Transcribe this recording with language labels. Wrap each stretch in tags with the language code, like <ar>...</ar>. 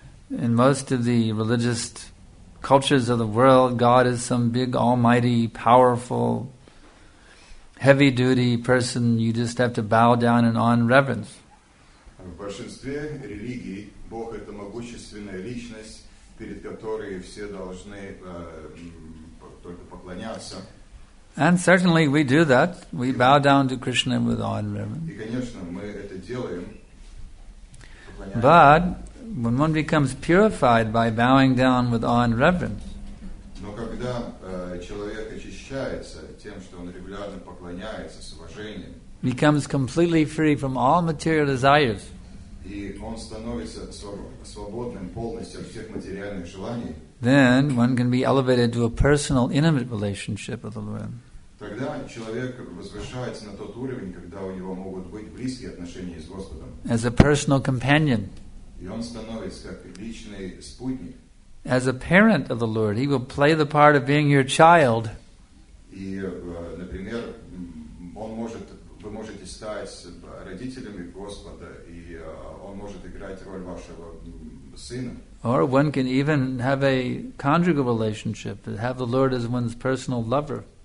<en>In most of the religious cultures of the world, God is some big, almighty, powerful, heavy-duty person. You just have to bow down and on reverence.</en> <ru>В большинстве религий Бог это могущественная личность, перед которой все должны только поклоняться.</ru> <en>And certainly we do that. We bow down to Krishna with awe and reverence.</en> <ru>И конечно мы это делаем.</ru> <en>But when one becomes purified by bowing down with awe and reverence,</en> <ru>но когда человек очищается тем, что он регулярно поклоняется с уважением,</ru> <en>becomes completely free from all material desires,</en> <ru>и он становится свободным полностью от всех материальных желаний,</ru> <en>then one can be elevated to a personal, intimate relationship with the Lord.</en> <ru>Тогда человек возвышается на тот уровень, когда у него могут быть близкие отношения с Господом,</ru> <en>as a personal companion.</en> <ru>И он становится как личный спутник.</ru> <en>As a parent of the Lord, he will play the part of being your child.</en> <ru>И, например, он может, вы можете стать родителями Господа, и он может играть роль вашего сына.</ru> <en>Or one can even have a conjugal relationship, have the Lord as one's personal lover.</en>